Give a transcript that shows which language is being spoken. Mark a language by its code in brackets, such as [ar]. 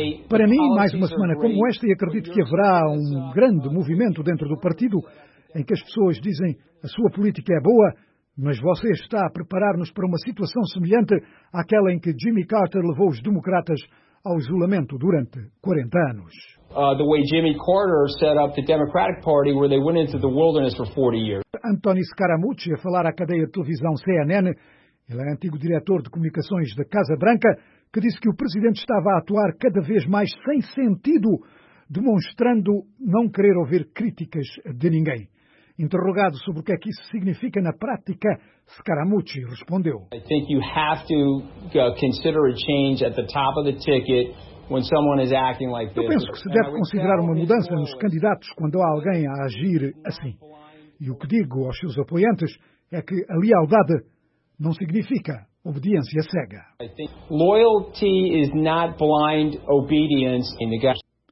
[pt] Para mim, mais uma semana como esta, e acredito que haverá um grande movimento dentro do partido em que as pessoas dizem a sua política é boa, mas você está a preparar-nos para uma situação semelhante àquela em que Jimmy Carter levou os democratas ao isolamento durante 40 anos. [en] The way Jimmy Carter set up the Democratic Party where they went into the wilderness for 40 years. [pt] Anthony Scaramucci, a falar à cadeia de televisão CNN, ele é antigo diretor de comunicações da Casa Branca, que disse que o presidente estava a atuar cada vez mais sem sentido, demonstrando não querer ouvir críticas de ninguém. Interrogado sobre o que é que isso significa na prática, Scaramucci respondeu. [en] I think you have to consider a change at the top of the ticket when someone is acting like this. [pt] Eu penso que se deve considerar uma mudança nos candidatos quando há alguém a agir assim. E o que digo aos seus apoiantes é que a lealdade não significa obediência cega. [en] Loyalty is not blind obedience in the government.